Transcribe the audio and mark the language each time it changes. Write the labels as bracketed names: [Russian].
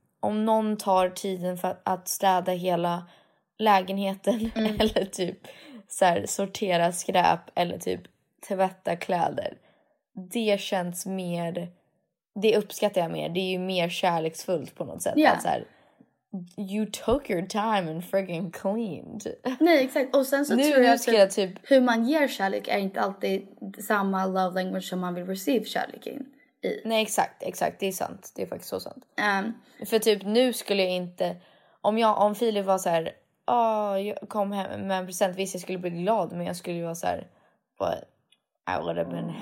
[Swedish] Om någon tar tiden för att städa hela. Lägenheten. Eller typ. Så här, sortera skräp eller typ tvätta kläder. Det känns mer, det uppskattar jag mer. Det är ju mer kärleksfullt på något sätt. [English] Yeah. [Swedish] Så här, [English] you took your time and freaking cleaned. [Swedish] Nej, exakt. Och sen så nu, tror jag att typ, hur man ger kärlek är inte alltid samma love language som man vill receive kärlek in i. Nej, exakt, exakt. Det är sant. Det är faktiskt så sant. För typ nu skulle jag inte, om Filip var så här, jag kom hem med en present. Visst, jag skulle bli glad, men jag skulle ju vara så här, [English] but I would have been happy.